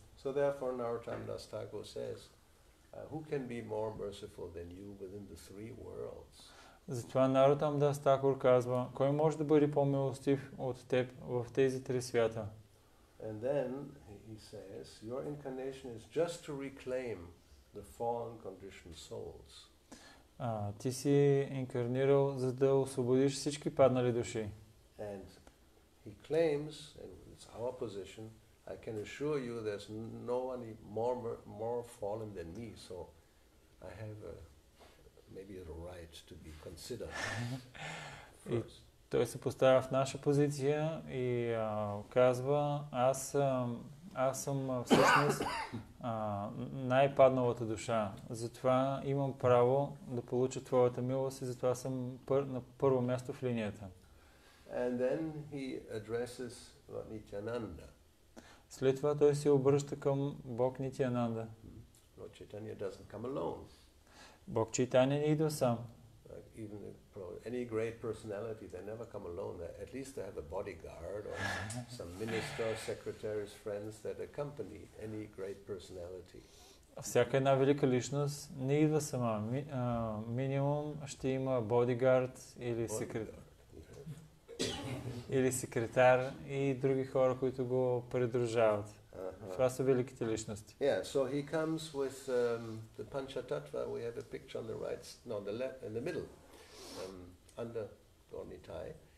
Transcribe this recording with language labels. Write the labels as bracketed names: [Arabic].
[English] So therefore Narottam Das Thakur says, who can be more merciful than you within the three worlds? [Bulgarian] Затова Narottam Das Thakur казва, кой може да бъде по-милостив от теб в тези три свята? [English] And then he says, your incarnation is just to reclaim the fallen conditioned souls. [Bulgarian] Ти си инкарнирал, за да освободиш всички паднали души. [English] And he claims, and it's our position, I can assure you there's no one more fallen than me, so I have maybe a right to be considered. [Bulgarian] И той се поставя в наша позиция и казва, аз съм всъщност най-падналата душа. Затова имам право да получа твоята милост и затова съм на първо място в линията. [English] And then he addresses Lord Nityananda. [Bulgarian] След това той се обръща към Бог Нитиананда. [English] Lord Chaitanya doesn't come alone. [Bulgarian] Бог Чайтанья не идва сам. [English] Like even any great personality, they never come alone. At least they have a bodyguard or some minister, secretaries, friends that accompany any great personality. [Bulgarian] Всяка една велика личност не идва сама. Минимум ще има bodyguard или секретар. Или секретар и други хора, които го придружават. Това са великите личности. [English] Yeah, so he comes with the Panchatattva. We have a picture on the right, no, the left, in the middle, under Gornitai.